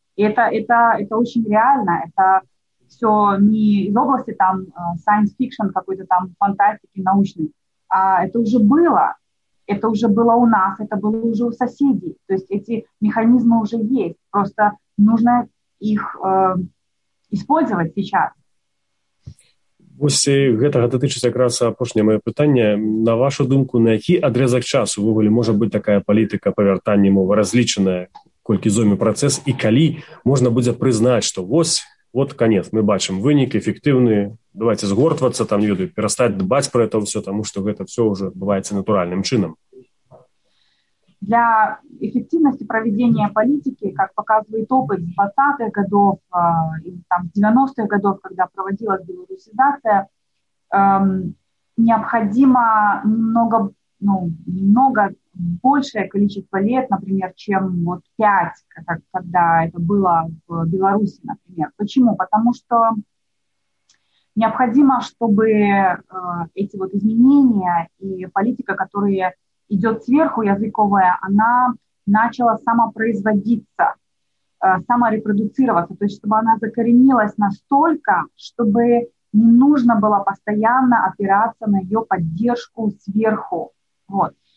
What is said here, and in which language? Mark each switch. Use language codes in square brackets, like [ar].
[ru] И это очень реально. Это все не из области там science fiction, какой-то там фантастики научной, а это уже было. Это уже было у нас, это было уже у соседей. То есть эти механизмы уже есть. Просто нужно их использовать сейчас. [be] Ось гэтага датычыцца якраз апошняе маё пытанне. На вашу думку, на які адрэзак часу ўвогуле можа быць такая палітыка па вяртанні мовы разлічаная, колькі зойме працэс, і калі можна будзе прызнаць, што вот канец, мы бачым вынік эфектывны, давайте згортвацца, там, не ведаю, перастаць дбаць пра гэта ўсё, таму што гэта ўсё ўжо адбываецца натуральным чынам. Для эфектыўнасці правядзення палітыкі, як паказвае опыт з 20-х гадоў, там, з 90-х гадоў, калі праводзілася беларусізацыя, неабходзіма многа, ну, многа [ru] большее количество лет, например, чем вот 5, когда это было в Беларуси, например. Почему? Потому что необходимо, чтобы эти вот изменения и политика, которая идет сверху, языковая, она начала самопроизводиться, саморепродуцироваться, то есть чтобы она закоренилась настолько, чтобы не нужно было постоянно опираться на ее поддержку сверху. Вот.